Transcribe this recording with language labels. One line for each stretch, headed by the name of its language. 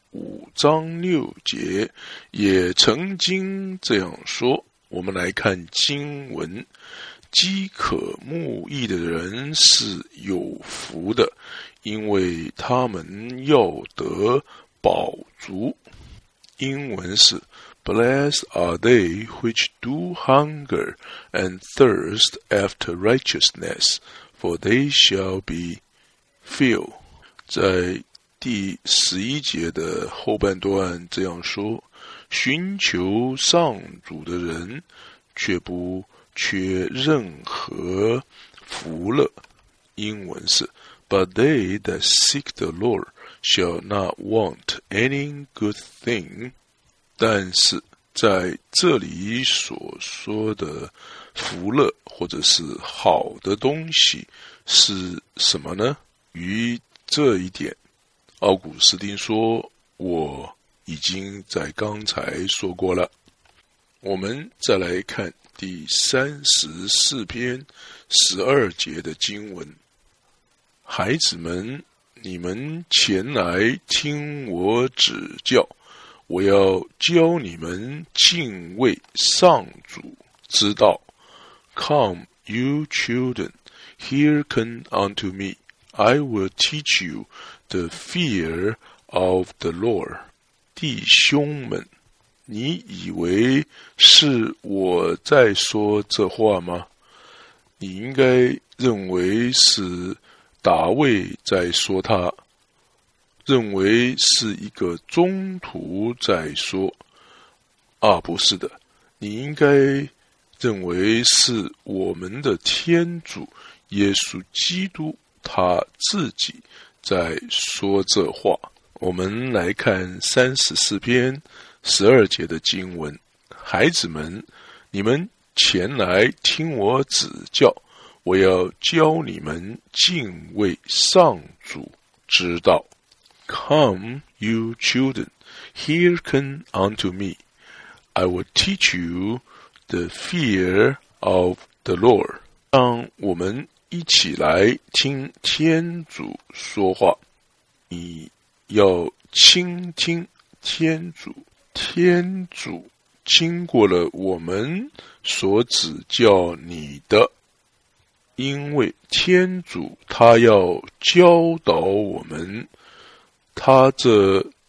Chinese: 五章六节也曾经这样说。我们来看经文，饥渴慕义的人是有福的，因为他们要得饱足。英文是
English: Blessed are they which do hunger and thirst after righteousness, for they shall be filled.
Chinese: 在第十一节的后半段这样说，寻求上主的人却不缺任何福乐。英文是
English: But they that seek the Lord shall not want any good thing.
Chinese: 但是在这里所说的福乐或者是好的东西是什么呢？于这一点，奥古斯丁说，我已经在刚才说过了。我们再来看第34篇12节的经文，孩子们，你们前来听我指教，我要教你们敬畏上主之道。
English: Come, you children, hearken unto me. I will teach you the fear of the Lord.
Chinese: 弟兄们，你以为是我在说这话吗？你应该认为是大卫在说，他认为是一个宗徒在说。啊，不是的，你应该认为是我们的天主耶稣基督他自己在说这话。我们来看34篇12节的经文，孩子们，你们前来听我指教，我要教你们敬畏上主之道。
English: Come, you children, hearken unto me. I will teach you the fear of the Lord.
Chinese: 让我们一起来听天主说话。你要倾听天主，天主经过了我们所指教你的，因为天主他要教导我们，他这